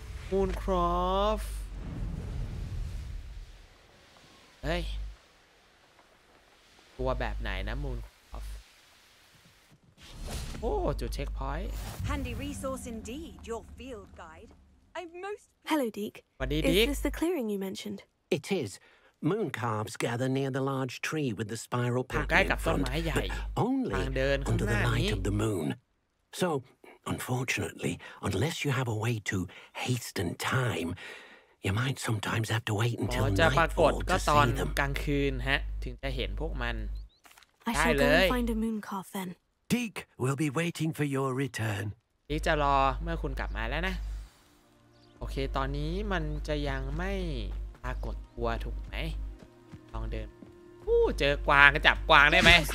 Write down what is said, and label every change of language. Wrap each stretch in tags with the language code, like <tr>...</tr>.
<th>มูนครอฟเฮ้ยตัวแบบไหนนะมูนโอ้จุดเช็คพอยต์</th> <en>Handy resource indeed your field guide I most Hello Deke</en> <th>สวัสดีดิ</th> <en>Is this the clearing you mentioned It is moon calves gather near the large tree with the spiral pattern</en> <th>ใกล้กับต้นไม้ใหญ่</th> <en>Only under the light of the moon So unfortunately unless you have a way to hasten timeYou might sometimes have to wait until nightfall to see them.</en> <th>จะปรากฏก็ตอนกลางคืนฮะถึงจะเห็นพวกมันได้เลย</th> <en>I shall go find a moon calf then. Deke will be waiting for your return.</en> <th>Deke จะรอเมื่อคุณกลับมาแล้วนะโอเคตอนนี้มันจะยังไม่ปรากฏตัวถูกไหมลองเดินอู้เจอกวางก็จับกวางได้ไหม</th>